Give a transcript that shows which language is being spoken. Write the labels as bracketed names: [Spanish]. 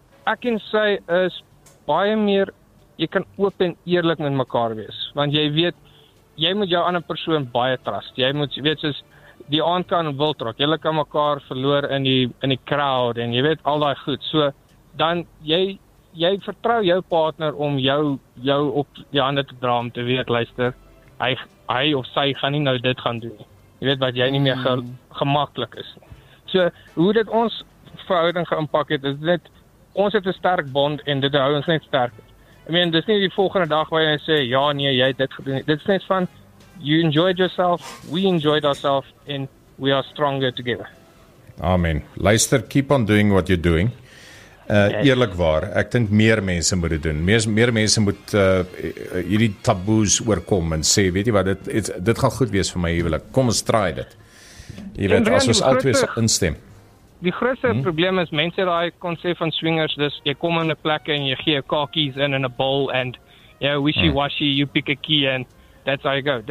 [Afrikaans] Ek en sy is baie meer, jy kan oop en eerlik met mekaar wees, want jy weet, jy moet jou ander persoon baie trust, jy moet, weet, soos die aand kan wildrok, jylle kan mekaar verloor in die crowd, en jy weet, al die goed, so, dan, jy vertrou jou partner om jou op die ander te dra, om te weet, luister, hy of sy gaan nie nou dit gaan doen, jy weet, wat jy nie meer gemakkelijk is. So, hoe dit ons verhouding geimpak het, is dit, ons het een sterk bond en dit hou ons net sterker. [English] I mean, [Afrikaans] dit is nie die volgende dag waar jy sê, ja, nee, jy het dit gedoen. Dit is net van, [English] you enjoyed yourself, we enjoyed ourselves, and we are stronger together. [Afrikaans] Amen. Luister, [English] keep on doing what you're doing. [Afrikaans] Eerlik waar, ek dink meer mense moet dit doen. Meer mense moet hierdie taboes oorkom en sê, weet jy wat, dit gaan goed wees vir my huwelik. Kom, ons try dit. Jy weet, as ons altwees instem. Die grootste probleem is, mense daai konsep van swingers, dus jy kom in die plek en jy gee kakies in [English] a bowl en you know, wishy-washy, you pick a key and that's how you go.